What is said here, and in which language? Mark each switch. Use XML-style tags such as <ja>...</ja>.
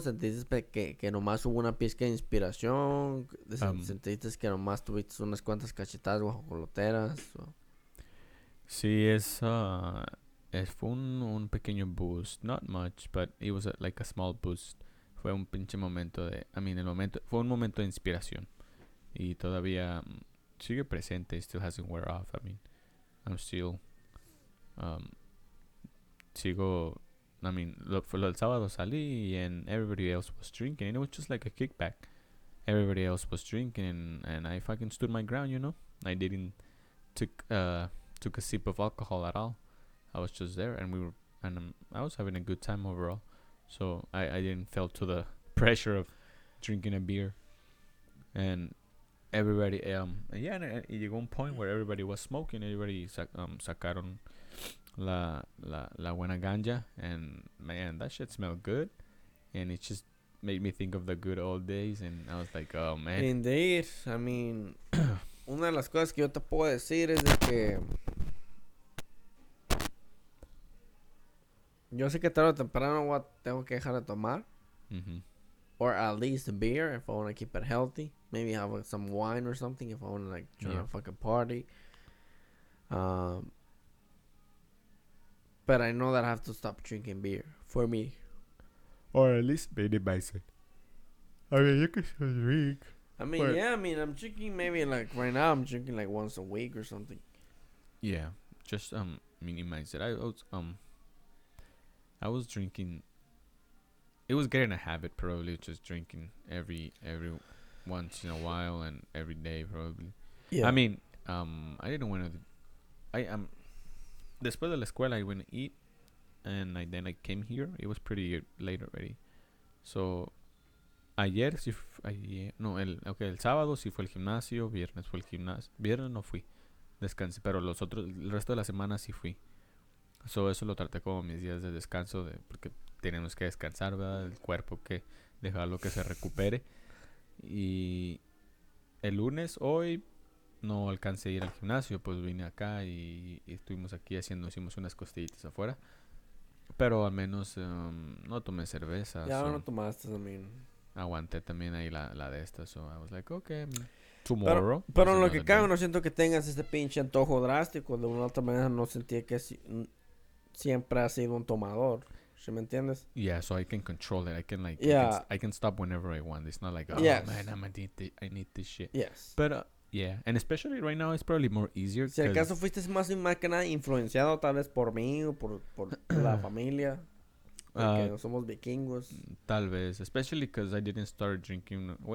<es>¿Sentiste que nomás hubo una pizca de inspiración? ¿Sentiste que nomás tuviste unas cuantas cachetadas guajoloteras? Sí, fue un pequeño boost.</es> <en>Not much, but it was like a small boost.</en> <es>Fue un pinche momento de...</es> <en>I mean,</en> <es>fue un momento de inspiración. Y todavía sigue presente.</es> <en>It still hasn't wear off. I mean, I'm still...</en> <es>el sábado salí</es> <en>and everybody else was drinking and it was just like a kickback. Everybody else was drinking and I fucking stood my ground, you know. I didn't took a sip of alcohol at all. I was just there and I was having a good time overall. So I didn't feel to the pressure of drinking a beer. And everybody and</en> <es>llegó un</es> <en>point where everybody was smoking. Everybody</en> <es>sacaron la buena ganja,</es> <en>and man, that shit smelled good, and it just made me think of the good old days, and I was like, oh man.</en> <es>Indeed, I mean, una de las cosas que yo te puedo decir es de que yo sé que tarde o temprano tengo que dejar de tomar,</es> <en>or at least beer if I want to keep it healthy. Maybe have some wine or something if I want to like join a fucking party. But I know that I have to stop drinking beer for me. Or at least baby bison. I mean, you can still drink. I mean, I'm drinking maybe like right now, I'm drinking like once a week or something. Yeah, just minimize it. I was drinking. It was getting a habit, probably, just drinking every once in a while and every day probably. Yeah. I mean, I didn't want to.</en> <es>Después de la escuela,</es> <en>I went to eat, and then I came here. It was pretty late already.</en> <es>So, ayer sí, el sábado sí fue el gimnasio, viernes fue el gimnasio, viernes no fui, descansé, pero los otros, el resto de la semana sí fui. So, eso lo traté como mis días de descanso, de porque tenemos que descansar, ¿verdad? El cuerpo, que dejarlo que se recupere. Y el lunes, hoy, no alcancé a ir al gimnasio, pues vine acá y estuvimos aquí haciendo, hicimos unas costillitas afuera. Pero al menos no tomé cerveza. Ya no tomaste,</es> <en>I mean.</en> <es>Aguanté también ahí la de estas,</es> <en>so I was like, okay, tomorrow.</en> <es>Pero en lo que cabe, no siento que tengas este pinche antojo drástico. De una otra manera, no sentí que siempre has sido un tomador. ¿Sí me entiendes?</es> <en>Yeah, so I can control it. I can like, yeah. I can stop whenever I want. It's not like, oh yes, man, I need this shit. Yes. Pero, yeah, and especially right now, it's probably more easier.</en> <es>Si acaso fuiste más que nada influenciado, tal vez por mí o por la familia. Porque somos vikingos. Tal vez,</es> <en>especially because I didn't start drinking.</en>